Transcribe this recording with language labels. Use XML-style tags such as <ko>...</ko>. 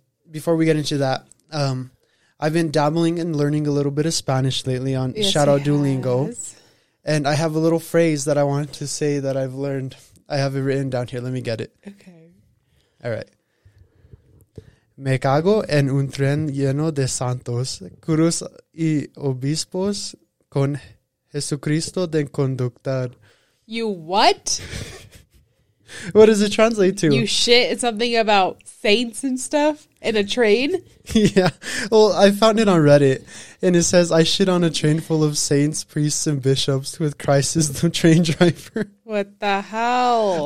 <en>Before we get into that, I've been dabbling and learning a little bit of Spanish lately on Duolingo. And I have a little phrase that I wanted to say that I've learned. I have it written down here. Let me get it. Okay. All right.</en> <es>Me cago en un tren lleno de santos, curas y obispos con Jesucristo de conductor.</es> <en>You what? What does it translate to? You shit something about saints and stuff in a train? Yeah. Well, I found it on Reddit, and it says, I shit on a train full of saints, priests, and bishops with Christ as the train driver. What the hell?</en>